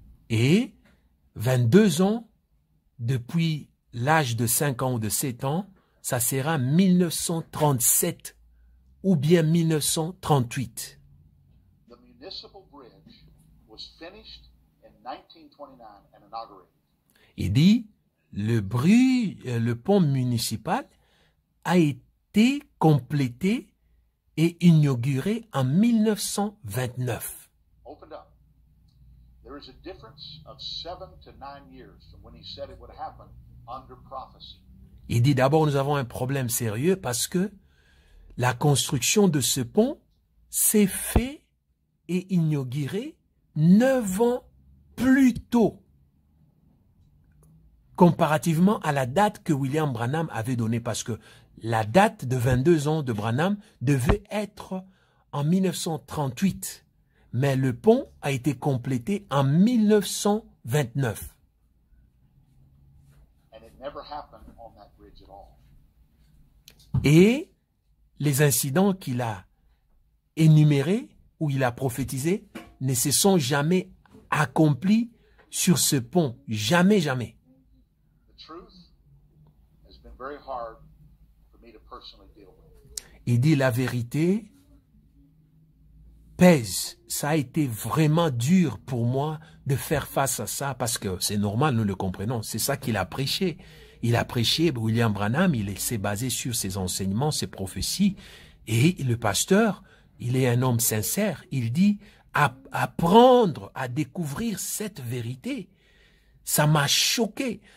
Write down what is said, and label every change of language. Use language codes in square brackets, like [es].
[fr] Et 22 ans, depuis l'âge de 5 ans ou de 7 ans, ça sera 1937 ou bien 1938. [en] The municipal bridge was finished in 1929 and inaugurated. [fr] Il dit, le pont municipal a été complété et inauguré en 1929. [en] There is a difference of 7 to 9 years from when he said it would happen under prophecy. [fr] Il dit d'abord nous avons un problème sérieux parce que la construction de ce pont s'est fait et inauguré 9 ans plus tôt comparativement à la date que William Branham avait donnée parce que la date de 22 ans de Branham devait être en 1938. Mais le pont a été complété en 1929. [en] And it never happened on that bridge at all. [fr] Et les incidents qu'il a énumérés ou il a prophétisé ne se sont jamais accomplis sur ce pont. Jamais, jamais. [en] The truth has been very hard for me to personally deal with. [fr] Il dit la vérité pèse. Ça a été vraiment dur pour moi de faire face à ça parce que c'est normal, nous le comprenons. C'est ça qu'il a prêché. Il a prêché William Branham, il s'est basé sur ses enseignements, ses prophéties. Et le pasteur, il est un homme sincère. Il dit, apprendre à découvrir cette vérité, ça m'a choqué.